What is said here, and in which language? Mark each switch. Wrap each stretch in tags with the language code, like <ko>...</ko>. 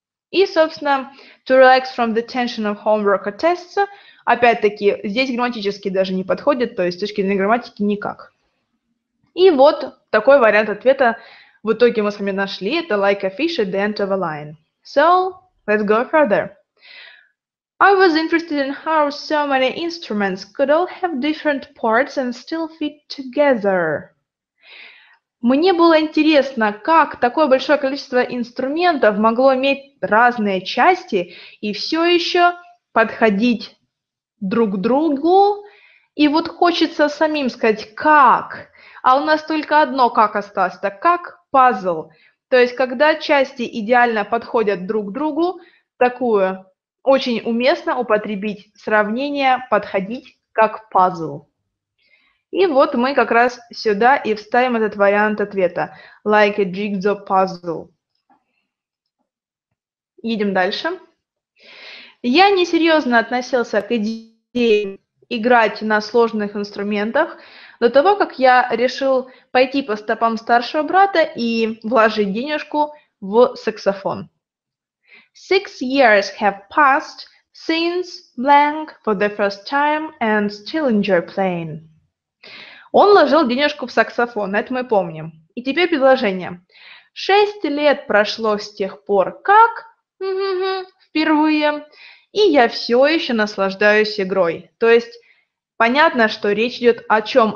<ru>И, собственно,</ru> <en>to relax from the tension of homework or tests</en> <ru>– опять-таки, здесь грамматически даже не подходит, то есть с точки зрения грамматики никак. И вот такой вариант ответа в итоге мы с вами нашли. Это</ru> <en>like a fish at the end of a line. So, let's go further. I was interested in how so many instruments could all have different parts and still fit together.</en> <ru>Мне было интересно, как такое большое количество инструментов могло иметь разные части и все еще подходить друг другу, и вот хочется самим сказать «как?», а у нас только одно «как» осталось, так «как?» – пазл. То есть, когда части идеально подходят друг другу, такую очень уместно употребить сравнение «подходить как пазл». И вот мы как раз сюда и вставим этот вариант ответа</ru> <en>«like a jigsaw puzzle».</en> <ru>Едем дальше. Я несерьезно относился к идее играть на сложных инструментах до того, как я решил пойти по стопам старшего брата и вложить денежку в саксофон.</ru> <en>6 years have passed since blank for the first time and still enjoy playing.</en> <ru>Он вложил денежку в саксофон, это мы помним. И теперь предложение. 6 лет прошло с тех пор, как... впервые... И я все еще наслаждаюсь игрой. То есть, понятно, что речь идет о чем?</ru>